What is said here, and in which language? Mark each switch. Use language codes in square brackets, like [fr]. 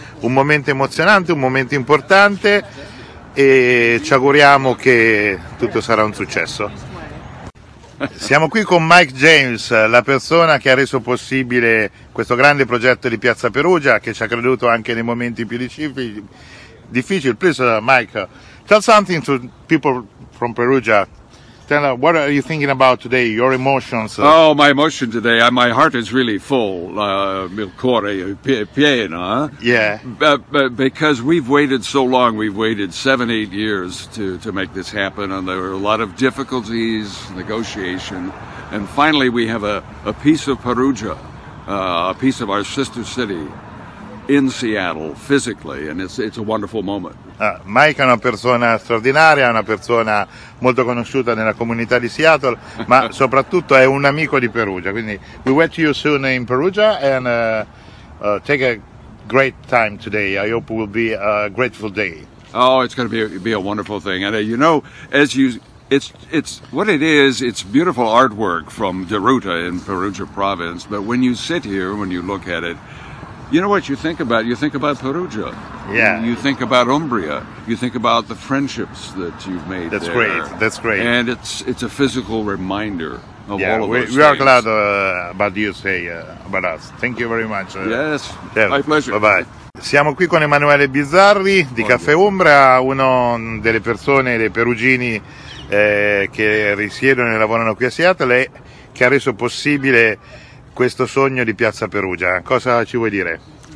[it] Un momento emozionante, un momento importante, e ci auguriamo che tutto sarà un successo. Siamo qui con Mike James, la persona che ha reso possibile questo grande progetto di Piazza Perugia, che ci ha creduto anche nei momenti più difficili. [en] Please, Mike, tell something to people from Perugia. Tell them, what are you thinking about today, your emotions? Oh, my emotion today, my heart is really full, [it] il cuore è pieno. [en] Yeah. But because we've waited so long, we've waited 7-8 years to make this happen, and there were a lot of difficulties, negotiation, and finally we have a piece of Perugia, a piece of our sister city in Seattle, physically, and it's a wonderful moment. [it] Mike è una persona straordinaria, una persona molto conosciuta nella comunità di Seattle, ma soprattutto è un amico di Perugia. Quindi, [en] we wait to you soon in Perugia and take a great time today. I hope it will be a grateful day. Oh, it's going to be a wonderful thing. And you know, as you, it's what it is. It's beautiful artwork from Deruta in Perugia province. But when you sit here, when you look at it, you know what you think about? You think about Perugia. Yeah. You think about Umbria. You think about the friendships that you've made. That's there. Great. That's great. And it's a physical reminder of all of those things. We are glad about you say about us. Thank you very much. Yes. Yeah. My pleasure. Bye-bye. [it] Siamo qui con Emanuele Bizzarri di Caffè Umbra, uno delle persone, dei perugini che risiedono e lavorano qui a Seattle, che ha reso possibile questo sogno di Piazza Perugia. Cosa ci vuoi dire?